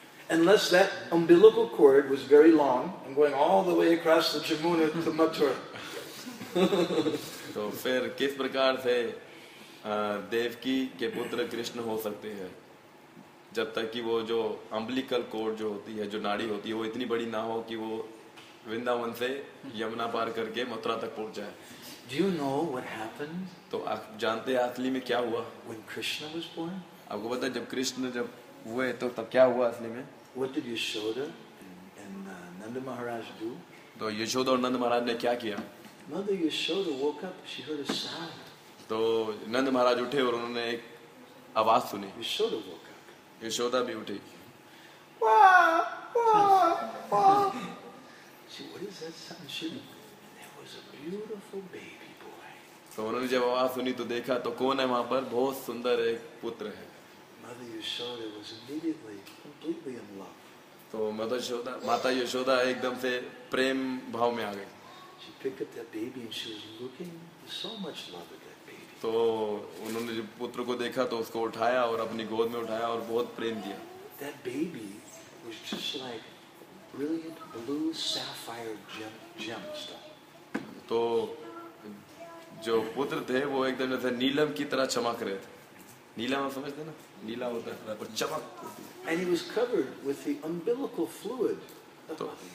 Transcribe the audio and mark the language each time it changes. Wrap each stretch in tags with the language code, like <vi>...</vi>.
<en>Unless that umbilical cord was very long and going all the way across the Jamuna to Mathura.</en> <hi>So, फिर किस प्रकार से देवकी के पुत्र कृष्ण हो सकते हैं जब तक कि वो जो umbilical cord जो होती है, जो नाड़ी होती है, वो इतनी बड़ी ना हो कि वो वृंदावन से यमुना पार करके मथुरा तक पहुंच जाए.</hi> <en>Do you know what happened?</en> <hi>तो आप जानते हैं असली में क्या हुआ?</hi> <en>When Krishna was born?</en> <hi>आपको पता है जब कृष्ण जब हुए तो तब क्या हुआ असली में?</hi> <en>What did Yashoda and Nanda Maharaj do?</en> <hi>तो यशोदा और नंद महाराज ने क्या किया?</hi> <en>Mother Yashoda woke up, she heard a sound.</en> <hi>तो नंद महाराज उठे और उन्होंने एक आवाज सुनी.</hi> <en>Yashoda woke up.</en> <hi>यशोदा भी उठी.</hi> <en>Wah, wah, wah. She, what is that sound? She, there was a beautiful baby.</en> <hi>तो उन्होंने जब आवाज सुनी तो देखा तो कौन है वहां पर, बहुत सुंदर एक पुत्र है.</hi> <en>Mother Yashoda was immediately completely in love.</en> <hi>तो माता यशोदा एकदम से प्रेम भाव में आ गई.</hi> <en>She picked up that baby and she was looking so much love at that baby.</en> <hi>तो उन्होंने जब पुत्र को देखा तो उसको उठाया और अपनी गोद में उठाया और बहुत प्रेम दिया.</hi> <en>That baby was just like brilliant blue sapphire gem stuff.</en> <hi>तो जो पुत्र थे वो एकदम जैसे नीलम की तरह चमक रहे थे. नीलम आप समझते ना, नीला होता है और चमक.</hi> <en>And he was covered with the umbilical fluid of Mother</en>